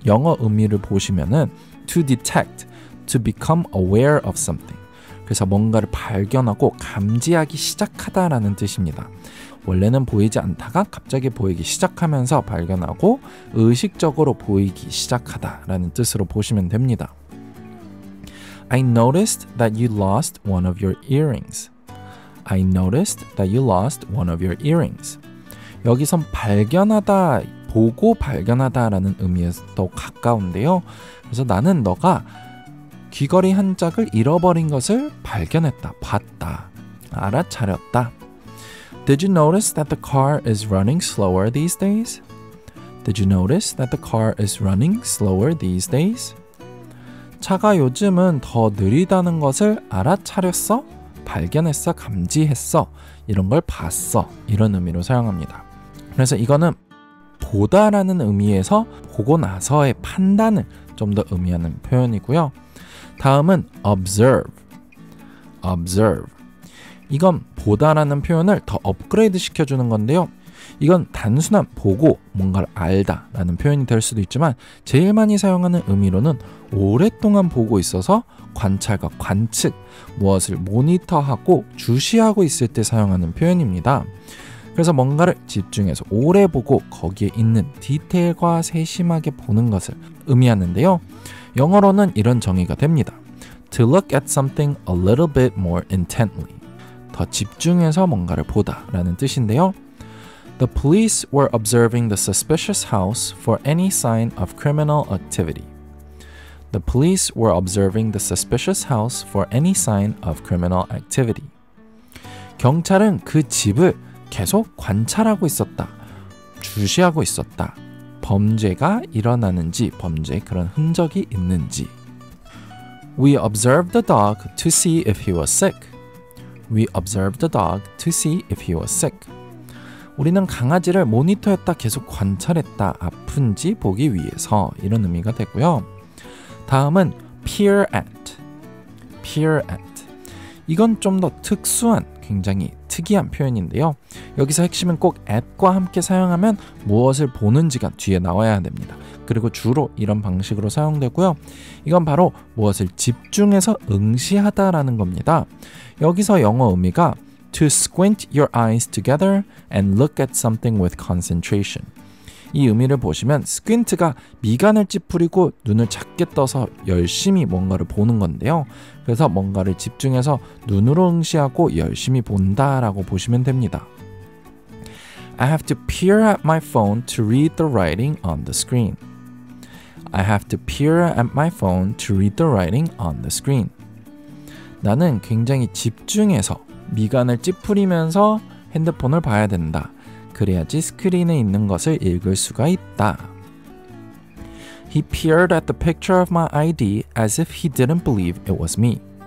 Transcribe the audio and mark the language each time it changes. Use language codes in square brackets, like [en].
[ko] 영어 의미를 보시면은 [en] to detect, to become aware of something. [ko] 그래서 뭔가를 발견하고 감지하기 시작하다 라는 뜻입니다. 원래는 보이지 않다가 갑자기 보이기 시작하면서 발견하고 의식적으로 보이기 시작하다 라는 뜻으로 보시면 됩니다. [en] I noticed that you lost one of your earrings. I noticed that you lost one of your earrings. [ko] 여기선 발견하다, 보고 발견하다 라는 의미에서 더 가까운데요. 그래서 나는 너가 귀걸이 한 짝을 잃어버린 것을 발견했다, 봤다, 알아차렸다. [en] Did you notice that the car is running slower these days? Did you notice that the car is running slower these days? [ko] 차가 요즘은 더 느리다는 것을 알아차렸어? 발견했어, 감지했어, 이런 걸 봤어 이런 의미로 사용합니다. 그래서 이거는 보다라는 의미에서 보고 나서의 판단을 좀 더 의미하는 표현이고요. 다음은 observe. observe. 이건 보다라는 표현을 더 업그레이드 시켜주는 건데요. 이건 단순한 보고 뭔가를 알다 라는 표현이 될 수도 있지만 제일 많이 사용하는 의미로는 오랫동안 보고 있어서 관찰과 관측, 무엇을 모니터하고 주시하고 있을 때 사용하는 표현입니다. 그래서 뭔가를 집중해서 오래 보고 거기에 있는 디테일과 세심하게 보는 것을 의미하는데요. 영어로는 이런 정의가 됩니다. [en] To look at something a little bit more intently. [ko] 더 집중해서 뭔가를 보다 라는 뜻인데요. [en] The police were observing the suspicious house for any sign of criminal activity. The police were observing the suspicious house for any sign of criminal activity. [ko] 경찰은 그 집을 계속 관찰하고 있었다. 주시하고 있었다. 범죄가 일어나는지, 범죄 그런 흔적이 있는지. [en] We observed the dog to see if he was sick. We observed the dog to see if he was sick. [ko] 우리는 강아지를 모니터했다, 계속 관찰했다, 아픈지 보기 위해서 이런 의미가 되고요. 다음은 peer at. peer at. 이건 좀 더 특수한, 굉장히 특이한 표현인데요. 여기서 핵심은 꼭 at과 함께 사용하면 무엇을 보는지가 뒤에 나와야 됩니다. 그리고 주로 이런 방식으로 사용되고요. 이건 바로 무엇을 집중해서 응시하다 라는 겁니다. 여기서 영어 의미가 [en] to squint your eyes together and look at something with concentration. [ko] 이 의미를 보시면 squint가 미간을 찌푸리고 눈을 작게 떠서 열심히 뭔가를 보는 건데요. 그래서 뭔가를 집중해서 눈으로 응시하고 열심히 본다 라고 보시면 됩니다. [en] I have to peer at my phone to read the writing on the screen. I have to peer at my phone to read the writing on the screen. [ko] 나는 굉장히 집중해서 미간을 찌푸리면서 핸드폰을 봐야 된다. 그래야지 스크린에 있는 것을 읽을 수가 있다. [en] He peered at the picture of my ID as if he didn't believe it was me.